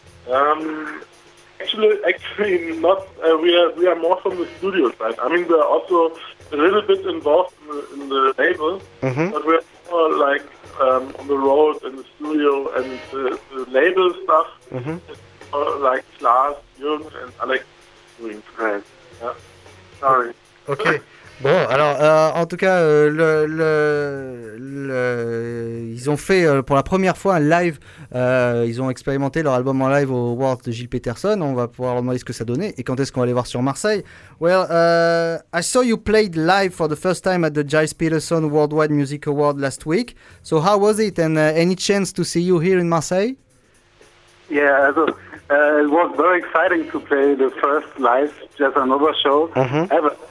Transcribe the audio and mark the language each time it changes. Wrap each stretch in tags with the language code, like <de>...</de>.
<en>Actually, not. We are more from the studio side. I mean, we are also a little bit involved in the label, but we're more like on the road in the studio, and the label stuff is more like Lars, Jürgen, and Alex doing. Yeah. Sorry. Okay.</en> <fr>Bon, alors, en tout cas, ils ont fait pour la première fois un live, ils ont expérimenté leur album en live au World de Gilles Peterson. On va pouvoir leur demander ce que ça donnait et quand est-ce qu'on va aller voir sur Marseille.</fr> <en>Well, I saw you played live for the first time at the Gilles Peterson Worldwide Music Award last week. So how was it, and any chance to see you here in Marseille? Yeah, it was very exciting to play the first live Jazz and Nova show ever.</en>